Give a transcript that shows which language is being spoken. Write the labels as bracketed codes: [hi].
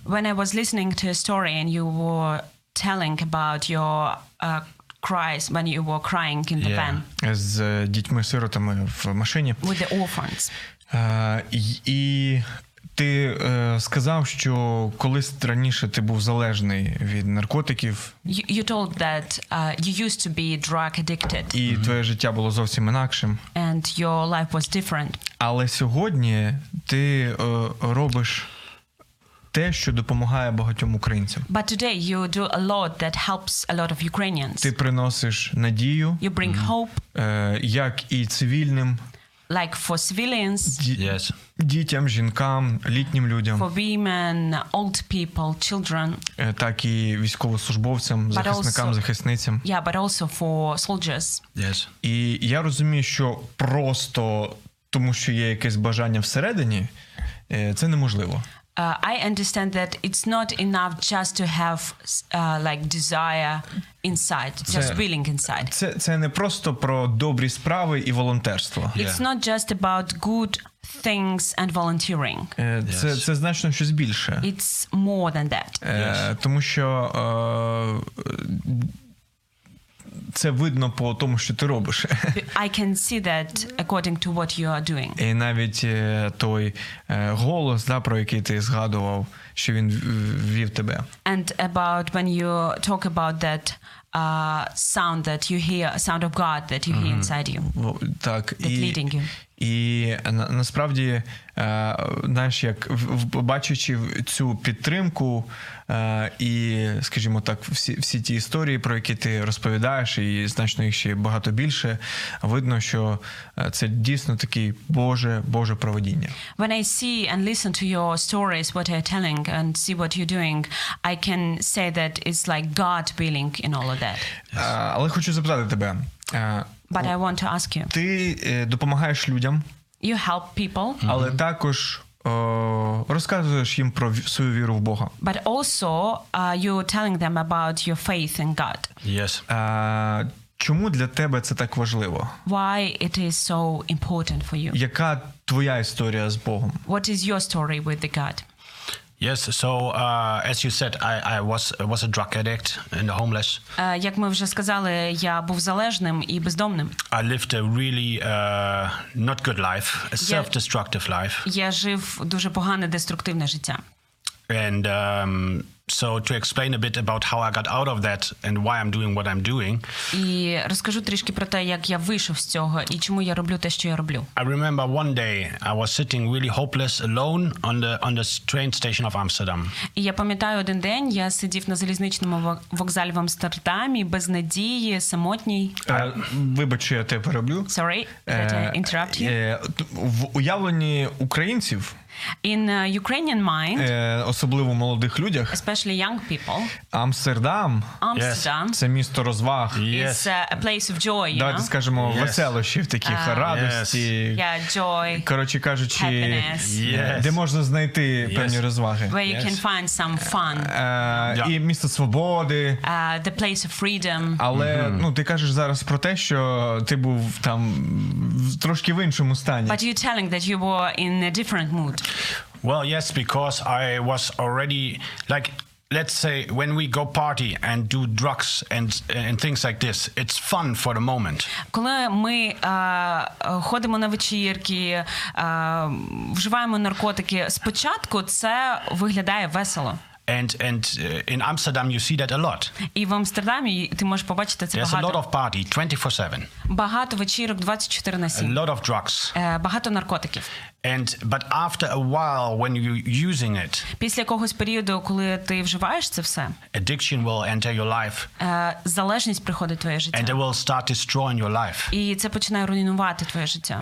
[en] When I was listening to your story and you were telling about your cries when you were crying in the van. [uk] З дітьми-сиротами в машині. [en] With the orphans. [uk] І ти сказав, що колись раніше ти був залежний від наркотиків. [en] You told that you used to be drug addicted. [uk] І твоє життя було зовсім інакшим. [en] And your life was different. [uk] Але сьогодні ти робиш те, що допомагає багатьом українцям. [en] But today you do a lot that helps a lot of Ukrainians. [uk] Ти приносиш надію. [en] You bring hope. [uk] Як і цивільним. [en] Like for civilians, yes. [uk] Дітям, жінкам, літнім людям. [en] For women, old people, children. [uk] Так і військовослужбовцям, захисникам, захисницям. [en] Yeah, but also for soldiers. Yes. [uk] І я розумію, що просто тому, що є якесь бажання всередині, це неможливо. [en] I understand that it's not enough just to have like desire inside, just це, willing inside. [uk] Це не просто про добрі справи і волонтерство. [en] It's not just about good things and volunteering. [uk] Це значно щось більше. [en] It's more than that. [uk] Тому що це видно по тому, що ти робиш. [en] I can see that according to what you are doing. [uk] І навіть той голос, да, про який ти згадував, що він вів тебе. [en] And about when you talk about that sound that you hear, sound of God that you hear inside you. [uk] Так, [en] that leading you. [uk] І насправді, знаєш, як бачачи цю підтримку, і, скажімо так, всі ті історії, про які ти розповідаєш, і значно їх ще багато більше, видно, що це дійсно такий Боже проводіння. [en] When I see and listen to your stories, what you're telling, and see what you're doing, I can say that it's like God willing in all of that. [uk] Але хочу запитати тебе. [en] But I want to ask you. [uk] Ти допомагаєш людям. [en] You help people. [uk] Але також розказуєш їм про свою віру в Бога. [en] But also you're telling them about your faith in God. Yes. [uk] Чому для тебе це так важливо? [en] Why it is so important for you? [uk] Яка твоя історія з Богом? [en] What is your story with the God? Yes, so as you said, I was a drug addict and homeless. [uk] Як ми вже сказали, я був залежним і бездомним. [en] I lived a really not good life, a self-destructive life. [uk] Я жив дуже погане деструктивне життя. [en] And so to explain a bit about how I got out of that and why I'm doing what I'm doing. [uk] І розкажу трішки про те, як я вийшов з цього і чому я роблю те, що я роблю. [en] I remember one day I was sitting really hopeless alone on the train station of Amsterdam. [uk] І я пам'ятаю один день, я сидів на залізничному вокзалі в Амстердамі без надії, самотній. Вибач, я тебе перебив. [en] Sorry, did I interrupt you? [uk] В уявленні українців [en] in Ukrainian mind, [uk] особливо молодих людях, [en] especially young people, [uk] Амстердам, [en] yes. [uk] Це місто розваг, [en] yes. It's a place of joy, да, you know? [uk] Скажемо, [en] yes. [uk] Веселощів таких, радості, [en] yes. Yeah, joy, [uk] коротше кажучи, [en] yes. [uk] Де можна знайти, yes, певні розваги, [en] where you, yes, can find some fun, [uk] yeah. І місто свободи, [en] the place of freedom. [uk] Але ну, ти кажеш зараз про те, що ти був там трошки в іншому стані. [en] But you're telling that you were in a different mood. Well, yes, because I was already, like, let's say when we go party and do drugs and things like this, it's fun for the moment. [uk] Коли ми ходимо на вечірки, вживаємо наркотики, спочатку це виглядає весело. [en] And in Amsterdam you see that a lot. [uk] І в Амстердамі ти можеш побачити це багато. [en] There's a lot of party 24/7. [uk] Багато вечірок 24/7. [en] A lot of drugs. [uk] Багато наркотиків. [en] And but after a while when you're using it. [uk] Після якогось періоду, коли ти вживаєш це все. [en] Addiction will enter your life. [uk] Залежність приходить в твоє життя. [en] And it will start destroying your life. [uk] І це починає руйнувати твоє життя.